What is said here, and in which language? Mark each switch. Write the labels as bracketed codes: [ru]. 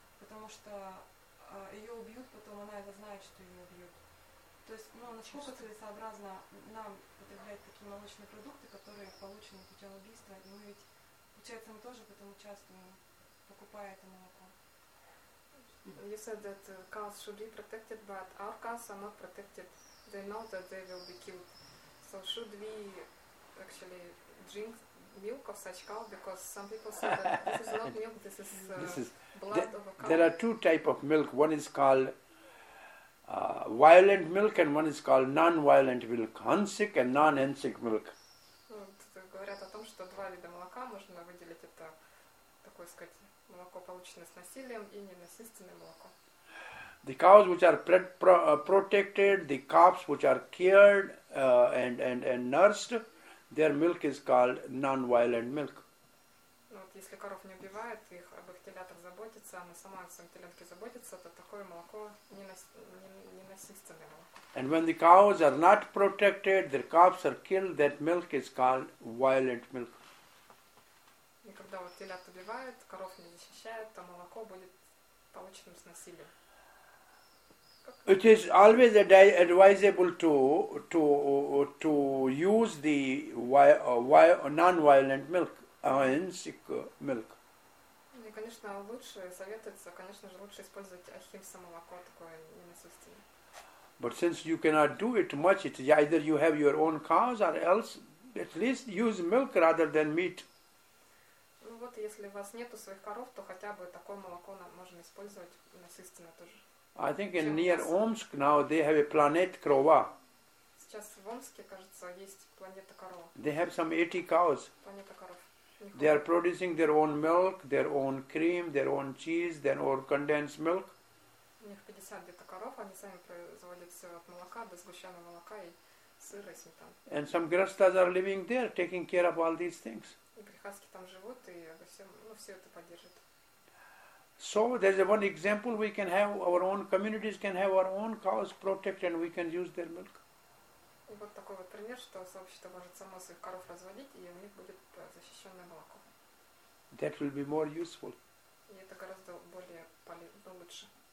[ru] Потому что ее убьют, потом она это знает, что ее убьют. То есть, ну, насколько целесообразно нам потреблять такие молочные продукты, которые получены путем убийства, и мы ведь, получается, мы тоже в этом участвуем, покупая это молоко. [en] You said that cows should be protected, but our cows are not protected. They know that they will be killed. So should we actually drink milk of such cow, because some people say that this is not milk, this is blood of a cow. There are two type of milk. One is called violent milk, and one is called non-violent milk, hansik and non-hansik milk. [ru] Говорят о том, что два вида молока можно выделить. Это такое, сказать, молоко, полученное с насилием, и ненасильственное молоко. [en] The cows which are protected, the calves which are cared and nursed, their milk is called non-violent milk. [ru] Если коров не убивают, их об их телятах заботятся, она сама о своем теленке заботится, то такое молоко ненасильственное молоко. [en] And when the cows are not protected, their calves are killed, that milk is called violent milk. [ru] И когда вот телят убивают, коров не защищают, то молоко будет полученным с насилием. [en] It is always advisable to use the non-violent milk. Ахимсик milk. [ru] Ну, конечно, лучше советуется, конечно же, лучше использовать ахимса молоко, такое ненасильственное. [en] But since you cannot do it much, it's either you have your own cows or else at least use milk rather than meat. [ru] Ну вот, если у вас нету своих коров, то хотя бы такое молоко можно использовать ненасильственное тоже. [en] I think in near Omsk now they have a planet Krova. [ru] Сейчас в Омске, кажется, есть планета корова. [en] They have some 80 cows. [ru] Планета коров. [en] They are producing their own milk, their own cream, their own cheese, their own condensed milk. [ru] У них 50 где-то коров, они сами производят все от молока до сгущенного молока и сыра и сметаны. [en] And some grihasthas are living there, taking care of all these things. [ru] И грихаски там живут и всем, ну, все это поддерживают. [en] So there's one example we can have. Our own communities can have our own cows protected, and we can use their milk. [ru] Вот такой вот пример, что сообщество может само своих коров разводить, и у них будет защищенное молоко. [en] That will be more useful. [ru] И это гораздо более лучше.